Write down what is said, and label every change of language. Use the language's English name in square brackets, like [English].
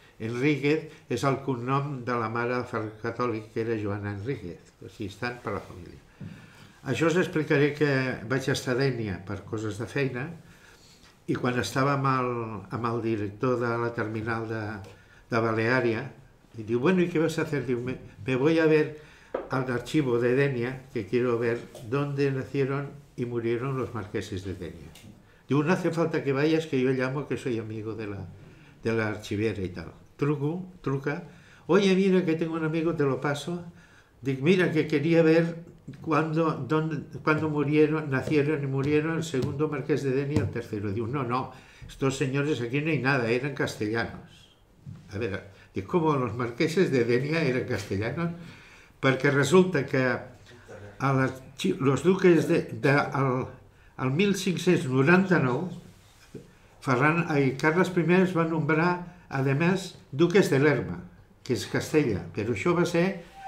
[Catalan] Enríquez és el cognom de la mare catòlica, que era Joana Enríquez, o sigui, estan per la família. Això us explicaré, que vaig estar a Dénia per coses de feina, i quan estava amb el director de la terminal de Baleària, i diu, bueno, [Spanish] ¿y qué vas a hacer? Diu, me voy a ver al archivo de Dénia, que quiero ver dónde nacieron y murieron los marqueses de Dénia. Diu, no hace falta que vayas, que yo llamo, que soy amigo de la archivera y tal. Truca, oye, mira, que tengo un amigo, te lo paso. Dic, mira, que quería ver cuándo murieron, nacieron y murieron el segundo marqués de Dénia y el tercero. Diu, no, estos señores aquí no hay nada, eran castellanos. A ver, dic, ¿cómo los marqueses de Dénia eran castellanos? [Catalan] Perquè resulta que los duques el 1599, Carles I es va nombrar, a més, duques de Lerma, que és Castella, però això va ser